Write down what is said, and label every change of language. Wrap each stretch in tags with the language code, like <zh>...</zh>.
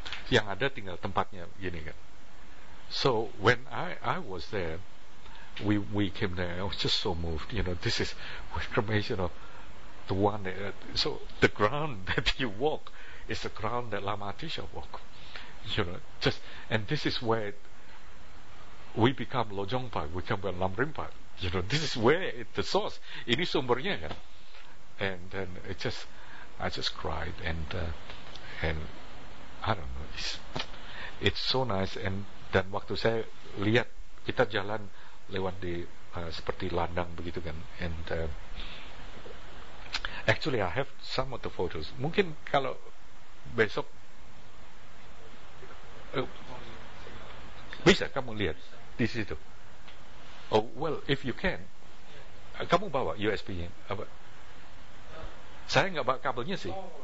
<id>Yang ada tinggal tempatnya gini kan.</id> <en>So when I was there, we came there, I was just so moved, you know. This is cremation of the one that, so the ground that you walk is the ground that Lama Atisha walk, you know. Just, and this is where we become Lojongpa, we become Lamrimpa, you know. This is where the source,</en> <id>ini sumbernya kan.</id> <en>And then I just cried, and I don't know, it's so nice.</en> <id>And dan waktu saya lihat, kita jalan lewat di seperti ladang begitu kan.</id> <en>And actually I have some of the photos.</en> <id>Mungkin kalau besok bisa kamu lihat di situ.</id> <en>Oh well, if you can,</en> <id>kamu bawa USB-nya. Apa? Saya enggak bawa kabelnya sih.</id>